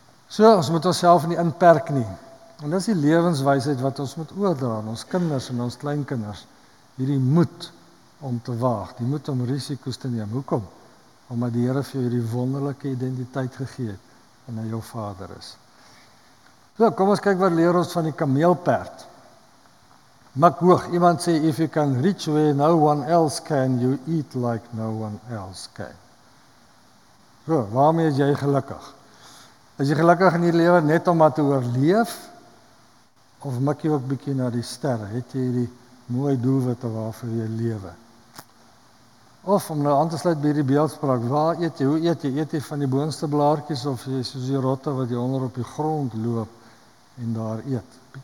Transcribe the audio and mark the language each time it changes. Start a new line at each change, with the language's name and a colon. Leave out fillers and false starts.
Afrikaans: So, ons moet onsself nie inperk nie. En dis die lewenswysheid wat ons moet oordra aan ons kinders en ons kleinkinders. Hierdie moed om te waag, die moed om risiko's te neem. Hoekom? Omdat die Here vir jou die wonderlike identiteit gegee het en hy jou vader is. So, kom ons kyk wat leer ons van die kameelperd. Mik hoog. Iemand sê,
English: if you can reach where no one else can, you eat like no one else can.
Afrikaans: So, waarmee is jy gelukkig? Is jy gelukkig in die lewe net om maar te oorleef? Of mik jy ook bykie na die sterre? Het jy die mooi doelwitte waarvoor jy lewe? Of, om nou aan te sluit by die beeldspraak, waar eet jy, hoe eet jy? Eet jy van die boonste blaartjies of jy soos die rotte wat jy onder op die grond loop en daar eet?